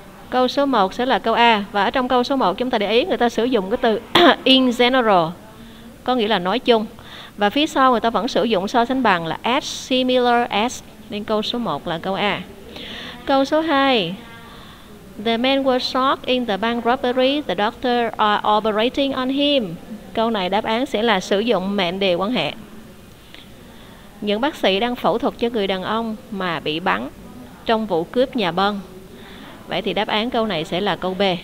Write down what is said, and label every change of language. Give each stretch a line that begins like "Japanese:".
Vietnamese: Câu số 1 sẽ là câu A. Và ở trong câu số 1 chúng ta để ý người ta sử dụng cái từ in general, có nghĩa là nói chung. Và phía sau người ta vẫn sử dụng so sánh bằng là as, similar as. Nên câu số 1 là câu A. Câu số 2.
English: The man was shot in the bank robbery. The doctor are operating on him.
Vietnamese: Câu này đáp án sẽ là sử dụng mệnh đề quan hệ. Những bác sĩ đang phẫu thuật cho người đàn ông mà bị bắn trong vụ cướp nhà bân. Vậy thì đáp án câu này sẽ là câu B.